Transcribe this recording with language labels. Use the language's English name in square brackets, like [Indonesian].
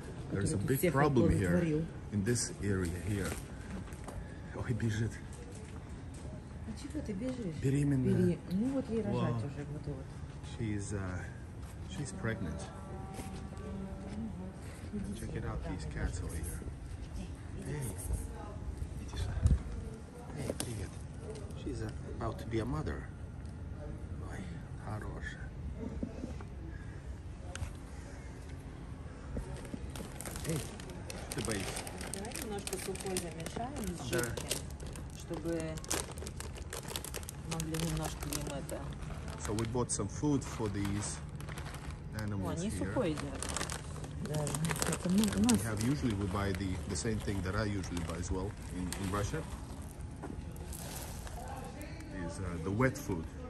[English] There's a big problem here in this area here. [Russian] Ой, бежит. А чего ты бежишь? Беременна. Ну вот ей рожать уже готово. [English] She's pregnant. Check it out, these cats over here. Hey, she's about to be a mother. [Russian] Ой, хорошая. Эй, ты боишься? Давай немножко сухой замешаем с жидким, чтобы могли немножко им это... [English] So we bought some food for these animals here. We have usually we buy the same thing that I usually buy as well in Russia. Is the wet food.